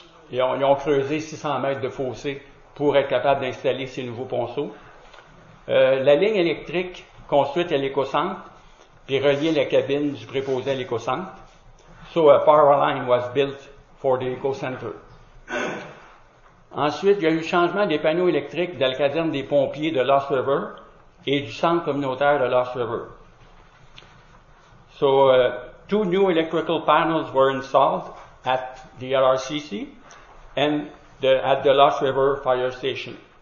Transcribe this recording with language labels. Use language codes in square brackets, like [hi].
[fr] Ils ont creusé 600 mètres de fossés pour être capables d'installer ces nouveaux ponceaux. La ligne électrique construite à l'éco-centre puis reliée à la cabine du préposé à l'éco-centre. [en] So a power line was built for the Eco Center. [fr] Ensuite, il y a eu le changement des panneaux électriques de la caserne des pompiers de Lost River et du centre communautaire de Lost River. [en] So, two new electrical panels were installed at the LRCC and at the Lost River Fire Station.